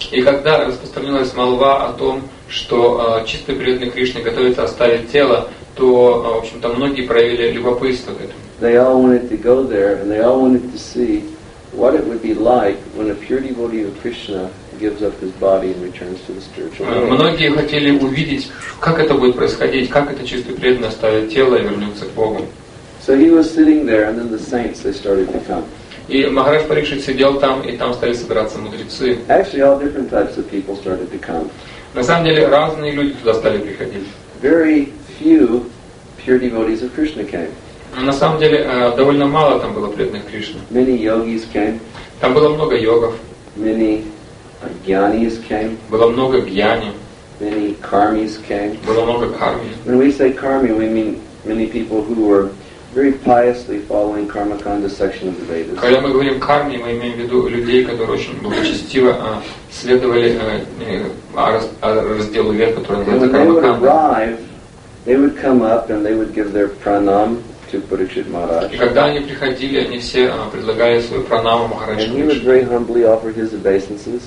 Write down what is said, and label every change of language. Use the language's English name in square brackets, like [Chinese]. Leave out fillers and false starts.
[Russian] И когда распространилась молва о том, что чистый преданный Кришна готовится оставить тело, то, в общем-то, многие проявили любопытство к этому. [English] They all wanted to go there, and they all wanted to see what it would be like when a pure devotee of Krishna gives up his body and returns to the spiritual world. [Russian] Многие хотели увидеть, как это будет происходить, как это чистый преданный оставит тело и вернется к Богу. [English] So he was sitting there, and then the saints they started to come. [Russian] И Махарадж Парикшит сидел там, и там стали собираться мудрецы. [English] Actually, all different types of people started to come. [Russian] На самом деле, разные люди туда стали приходить. [English] Very few pure devotees of Krishna came. [Russian] На самом деле, довольно мало там было преданных Кришны. [English] Many yogis came. [Russian] Там было много йогов. [English] Many gyanis came. [Russian] Было много гьяни. [English] Many karmis came. [Russian] Было много карми. [English] When we say karmi, we mean many people who were very piously following Karmakanda section of the Vedas. [Russian] Когда мы говорим карми, мы имеем в виду людей, которые очень благочестиво следовали разделу Вед, который называется Кармаканда. [English] When they would arrive, they would come up and they would give their pranam to Parikshit Maharaj. [Russian] И когда они приходили, они все предлагали свою пранаму Махараджу. [English] And he would very humbly offer his obeisances.